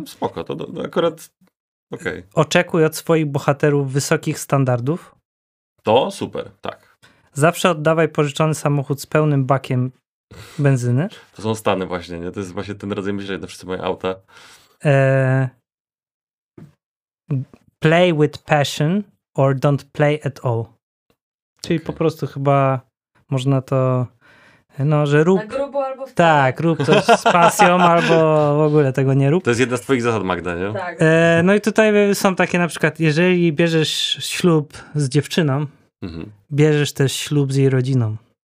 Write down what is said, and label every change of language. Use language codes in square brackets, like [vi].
[pl] No, spoko, to akurat... Okay. Oczekuj od swoich bohaterów wysokich standardów. To super, tak. Zawsze oddawaj pożyczony samochód z pełnym bakiem benzyny. To są Stany właśnie, nie? To jest właśnie ten rodzaj myślenia, na wszyscy moje auta. [en] Play with passion or don't play at all. [pl] Czyli okay. Po prostu chyba można to... No, że rób... Na grubo albo w tak. Tak, rób coś z pasją, albo w ogóle tego nie rób. To jest jedna z twoich zasad, Magda, nie? Tak. No i tutaj są takie na przykład, jeżeli bierzesz ślub z dziewczyną, bierzesz też ślub z jej rodziną.